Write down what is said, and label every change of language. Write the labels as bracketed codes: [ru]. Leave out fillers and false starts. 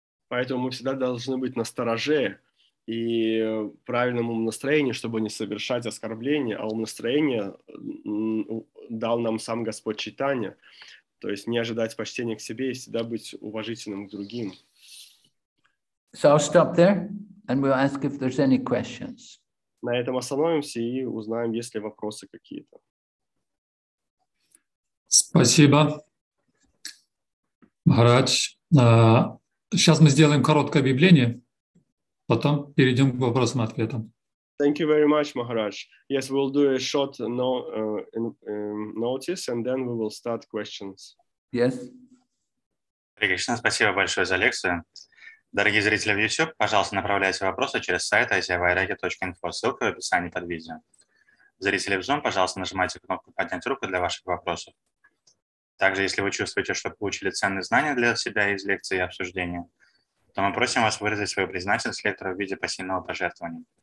[ru] Поэтому мы всегда должны быть настороже и правильном ум настроении, чтобы не совершать оскорбления, а ум настроение дал нам сам Господь Чайтанья, то есть не ожидать почтения к себе и всегда быть уважительным к другим. [en] So I'll stop there and we'll ask if there's any questions. [ru] На этом остановимся и узнаем, есть ли вопросы какие-то. Спасибо, Махарадж. Сейчас мы сделаем короткое объявление, потом перейдем к вопросам и ответам. [en] Thank you very much, Maharaj. Yes, we'll do a short notice, and then we will start questions. Yes. [ru] Кришна, спасибо большое за лекцию. Дорогие зрители в YouTube, пожалуйста, направляйте вопросы через сайт asiavairagya.info. Ссылка в описании под видео. Зрители в Zoom, пожалуйста, нажимайте кнопку «Поднять руку» для ваших вопросов. Также, если вы чувствуете, что получили ценные знания для себя из лекции и обсуждения, то мы просим вас выразить свою признательность лектору в виде пассивного пожертвования.